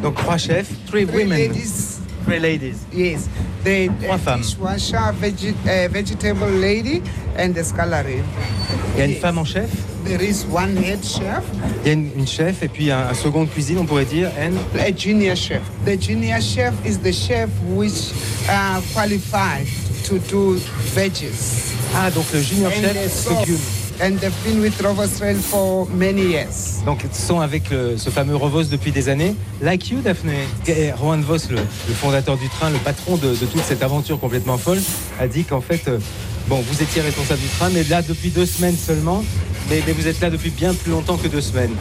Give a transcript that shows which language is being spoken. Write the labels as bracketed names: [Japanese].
[French] Donc trois chefs, [English] three women. Ladies. Three ladies. Yes. [French] Trois femmes. [English] Dishwasher, vegetable lady, and the scullery. [French] Il y a une femme en chef. [English] There is one head chef. [French] Il y a une chef et puis un second cuisine, on pourrait dire. [English] And a junior chef. The junior chef is the chef which qualified to do veggies. [French] Ah, donc le junior [English] and [French] chef s'occupe. [English] And they've been with Rovos Rail for many years. [French] Donc, ils sont avec ce fameux Rovos depuis des années. [English] Like you, [French] Daphné. Et Juan Vos, le fondateur du train, le patron de toute cette aventure complètement folle, a dit qu'en fait, vous étiez responsable du train, mais là, depuis 2 semaines seulement. Mais vous êtes là depuis bien plus longtemps que 2 semaines.